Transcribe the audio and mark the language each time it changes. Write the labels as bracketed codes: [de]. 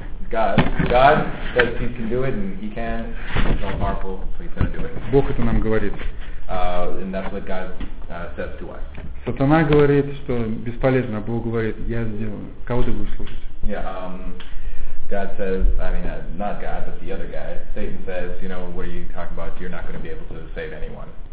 [en] God says he can do it and he can. He's all powerful, so he's gonna do it. [ru] Бог это нам говорит. [en] And that's what God says to us. [ru] Сатана говорит, что бесполезно, Бог говорит, я сделаю. Кого ты будешь слушать? [en] Yeah, God says, I mean not God, but the other guy. Satan says, you know, what are you talking about? You're not gonna be able to save anyone.